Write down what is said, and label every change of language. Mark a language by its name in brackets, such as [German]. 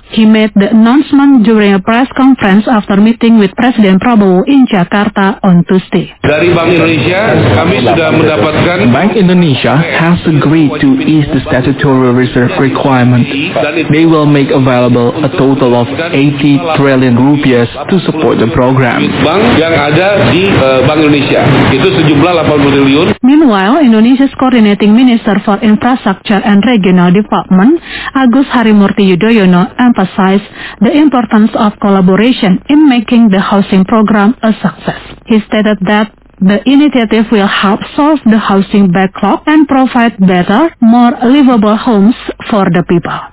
[English] He made the announcement during a press conference after meeting with President Prabowo in Jakarta on Tuesday. [Indonesian] Dari Bank Indonesia, kami sudah mendapatkan... [English] Bank Indonesia has agreed to ease the statutory reserve requirement. They will make available a total of 80 trillion rupiah to support the program. [Indonesian] Bank yang ada di Bank Indonesia itu sejumlah 80 triliun. [English] Meanwhile, Indonesia's coordinating minister for infrastructure and regional development, Agus Harimurti Yudhoyono, emphasized the importance of collaboration in making the housing program a success. He stated that the initiative will help solve the housing backlog and provide better, more livable homes for the people.